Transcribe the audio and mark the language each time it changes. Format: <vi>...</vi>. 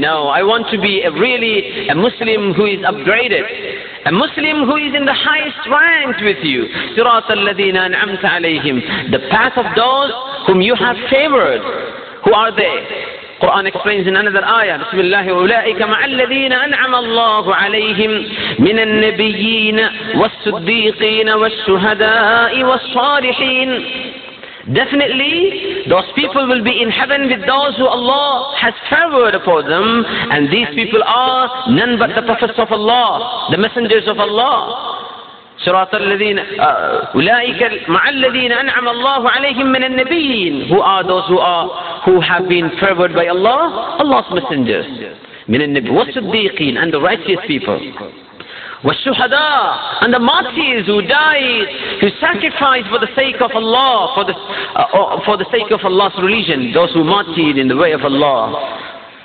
<en>No, I want to be a Muslim who is upgraded. A Muslim who is in the highest ranks with you.</en> <ar>صِرَاطَ الَّذِينَ أَنْعَمْتَ عَلَيْهِمْ.</ar> <en>The path of those whom You have favored. Who are they? Quran explains in another ayah,</en> <ar>Bismillahi أولئك مع الذين أنعم الله عليهم من النبيين والصديقين والشهداء والصالحين.</ar> <en>Definitely, those people will be in heaven with those who Allah has favored upon them, and these people are none but the prophets of Allah, the messengers of Allah.</en> <ar>صراط الذين أولئك مع الذين أنعم الله عليهم من النبيين.</ar> <en>Who are those who have been favored by Allah? Allah's messengers.</en> <ar>من النبي والصديقين,</ar> <en>and the righteous people.</en> <ar>والشهداء,</ar> <en>and the martyrs who died, who sacrificed for the sake of Allah, for the sake of Allah's religion, those who martyred in the way of Allah.</en>